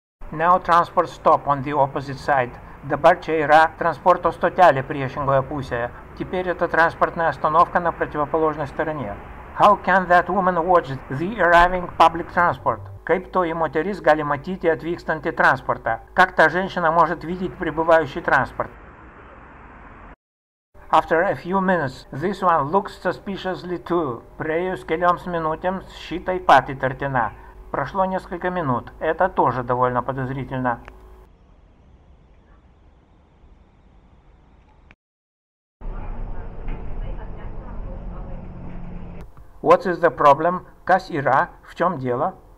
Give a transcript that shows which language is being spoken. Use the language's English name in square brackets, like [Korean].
[English] Now transport stop on the opposite side. [Lithuanian] Dabar čia yra transporto stotelė priešingoje pusėje. [Russian] Теперь это транспортная остановка на противоположной стороне. [English] How can that woman watch the arriving public transport? [Lithuanian] Kaip toji moteris gali matyti atvykstantį transportą? [Russian] Как та женщина может видеть прибывающий транспорт? [English] After a few minutes, this one looks suspiciously too. [Lithuanian] Praėjus kelioms minutėms, ši taip pat įtartina. [Russian] Прошло несколько минут. Это тоже довольно подозрительно. [English] What is the problem? [Lithuanian] Kas yra? [Russian] В чем дело?